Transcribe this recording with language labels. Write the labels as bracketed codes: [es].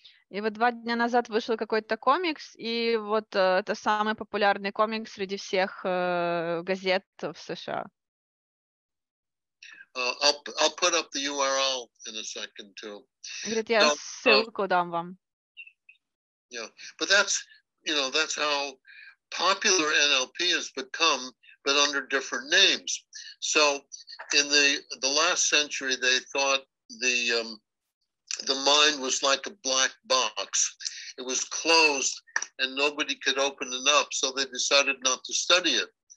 [ru] И вот 2 дня назад вышел какой-то комикс, и вот это самый популярный комикс среди всех газет в США. [en] I'll put up the URL in a second too. [ru] Говорит, я ссылку дам вам. [en] Yeah, but that's how popular NLP has become, but under different names. So in the last century, they thought the mind was like a black box. It was closed and nobody could open it up, so they decided not to study it.